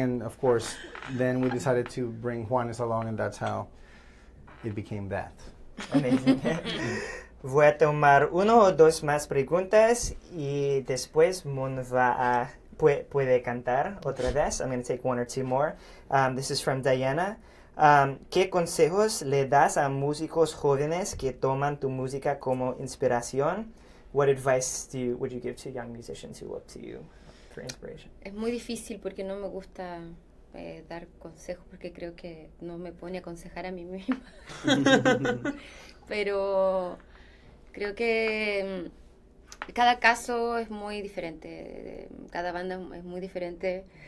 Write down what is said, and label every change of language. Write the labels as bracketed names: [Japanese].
[English] And, of course, then we decided to bring Juanes along, and that's how it became that. Amazing. [Spanish] Voy a tomar uno o dos más preguntas, y después Mon va a puede cantar otra vez. [English] I'm going to take one or two more. This is from Diana. [Spanish] ¿Qué consejos le das a músicos jóvenes que toman tu música como inspiración? [English] What advice would you give to young musicians who look to you for inspiration? [Spanish] Es muy difícil porque no me gusta dar consejos porque creo que no me pone a aconsejar a mí misma. Pero creo que cada caso es muy diferente, cada banda es muy diferente.